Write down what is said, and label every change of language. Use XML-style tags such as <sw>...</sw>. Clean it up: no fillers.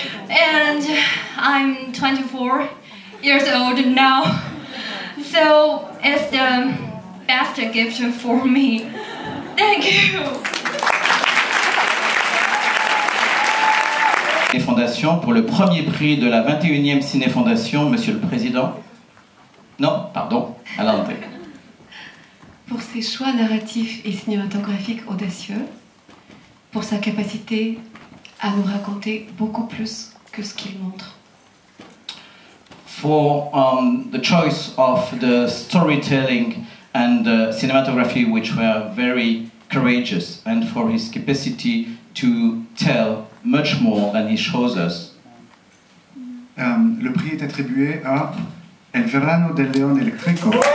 <en>And I'm 24 years old now, so it's the best gift for me. Thank you.</en> <fr>Cinéfondation pour le premier prix de la 21e Cinéfondation, Monsieur le Président. Non, pardon, à l'entrée. Pour ses choix narratifs et cinématographiques audacieux, pour sa capacité à nous raconter beaucoup plus que ce qu'il montre.</fr> <en>For the choice of the storytelling and the cinematography, which were very courageous, and for his capacity to tell much more than he shows us.</en> <fr>Le prix est attribué à El Verano del León Electrico.</fr>